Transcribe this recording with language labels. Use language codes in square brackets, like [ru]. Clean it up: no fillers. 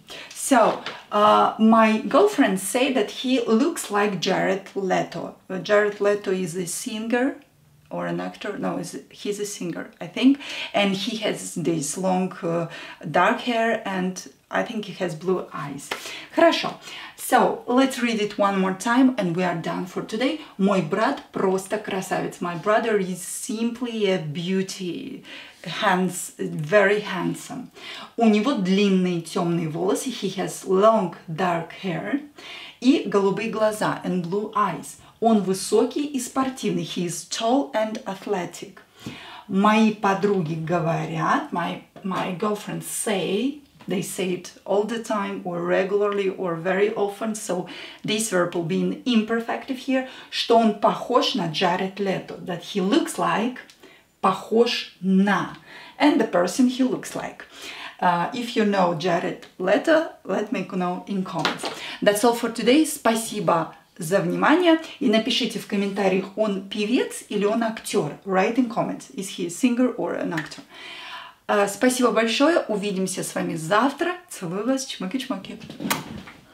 [en] So, my girlfriend say that he looks like Jared Leto. Jared Leto is a singer or an actor. No, he's a singer, I think. And he has this long dark hair and I think he has blue eyes. [ru] Хорошо. [en] So, let's read it one more time and we are done for today. [ru] Мой брат просто красавец. [en] My brother is simply a beauty. Very handsome. [ru] У него длинные темные волосы. [en] He has long dark hair. [ru] И голубые глаза. [en] And blue eyes. [ru] Он высокий и спортивный. [en] He is tall and athletic. [ru] Мои подруги говорят. [en] My girlfriend say. They say it all the time or regularly or very often. So this verb will be in imperfective here. [ru] Что он похож на Джаред Лето. [en] That he looks like. [ru] Похож на. [en] And the person he looks like. If you know Jared Leto, let me know in comments. That's all for today. [ru] Спасибо за внимание. И напишите в комментариях, он певец или он актер. [en] Write in comments. Is he a singer or an actor? [ru] Спасибо большое. Увидимся с вами завтра. Целую вас. Чмоки-чмоки.